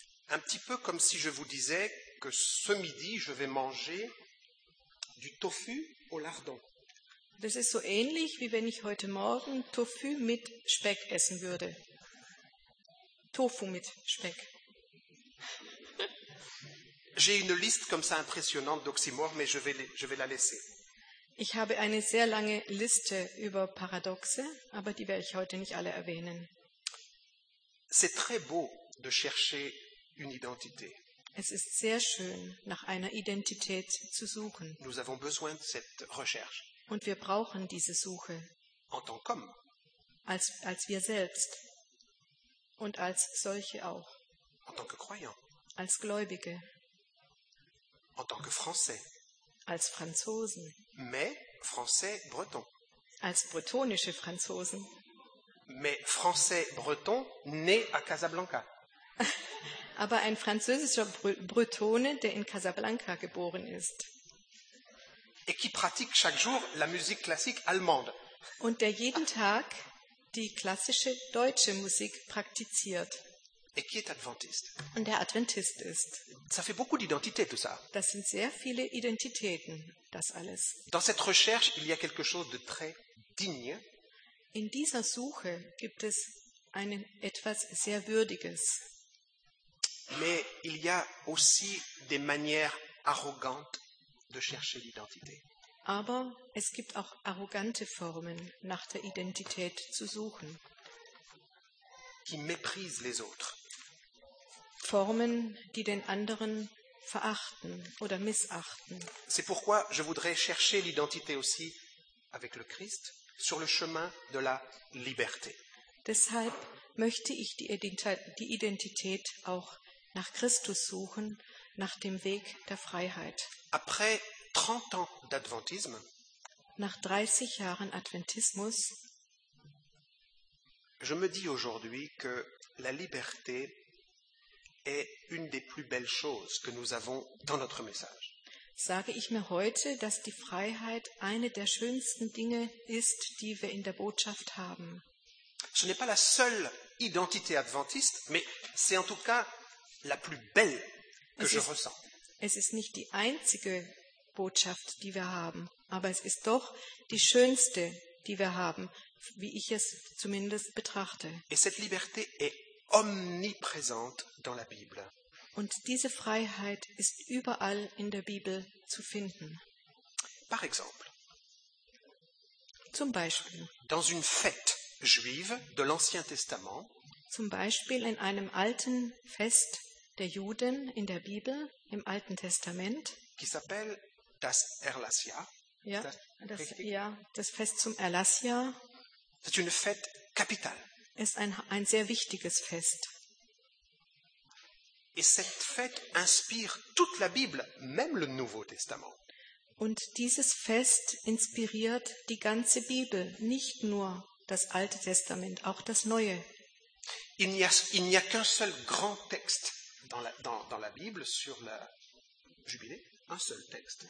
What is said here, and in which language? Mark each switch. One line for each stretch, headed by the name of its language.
French: Un petit peu comme si je vous disais que ce midi je vais manger du tofu au lardon.
German: Das ist so ähnlich wie wenn ich heute Morgen Tofu mit Speck essen würde. Tofu mit Speck.
French: J'ai une liste comme ça impressionnante d'oxymores, mais je vais la laisser.
German: Ich habe eine sehr lange Liste über Paradoxe, aber die werde ich heute nicht alle erwähnen.
French: C'est très beau de chercher une identité.
German: Es ist sehr schön, nach einer Identität zu suchen.
French: Nous avons besoin de cette recherche.
German: Und wir brauchen diese Suche.
French: En tant qu'homme.
German: Als wir selbst. Und als solche auch.
French: En tant que croyant.
German: Als Gläubige.
French: En tant que Français.
German: Als Franzosen.
French: Mais français breton.
German: Als bretonische Franzosen.
French: Mais français breton né à Casablanca.
German: Aber ein französischer Bretone, der in Casablanca geboren ist.
French: Et qui pratique chaque jour la musique classique allemande.
German: Und der jeden Tag die klassische deutsche Musik praktiziert.
French: Et qui est adventiste.
German: Und der Adventist ist.
French: Ça fait beaucoup d'identité, tout ça.
German: Das sind sehr viele Identitäten, das alles.
French: Dans cette recherche, il y a quelque chose de très digne.
German: In dieser Suche gibt es etwas sehr Würdiges.
French: Mais il y a aussi des manières arrogantes de chercher l'identité.
German: Aber es gibt auch arrogante Formen, nach der Identität zu suchen.
French: Qui méprisent les autres.
German: Formen, die den anderen verachten oder missachten.
French: C'est pourquoi je voudrais chercher l'identité aussi avec le Christ sur le chemin de la liberté.
German: Deshalb möchte ich die Identität auch nach Christus suchen, nach dem Weg der Freiheit.
French: Après 30 ans d'adventisme,
German: nach 30 Jahren Adventismus,
French: je me dis aujourd'hui que la liberté est une des plus belles choses que nous avons dans notre message.
German: Sage ich mir heute, dass die Freiheit eine der schönsten Dinge ist, die wir in der Botschaft haben.
French: Ce n'est pas la seule identité adventiste, mais c'est en tout cas la plus belle que je ressens.
German: Es ist nicht die einzige Botschaft, die wir haben, aber es ist doch die schönste, die wir haben, wie ich es zumindest betrachte.
French: Et cette liberté est omniprésente dans la Bible.
German: Und diese Freiheit ist überall in der Bibel zu finden.
French: Par exemple,
German: zum Beispiel,
French: dans une fête juive de l'Ancien Testament,
German: zum Beispiel in einem alten Fest der Juden in der Bibel, im Alten Testament,
French: qui s'appelle das Erlassia,
German: ja, das Fest zum Erlassia,
French: c'est une fête capitale.
German: Ist ein sehr wichtiges Fest.
French: Et cette fête inspire toute la Bible, même le Nouveau Testament.
German: Und dieses Fest inspiriert die ganze Bibel, nicht nur das Alte Testament, auch das Neue.
French: Il n'y a qu'un seul grand texte dans la Bible sur le jubilé, un seul texte.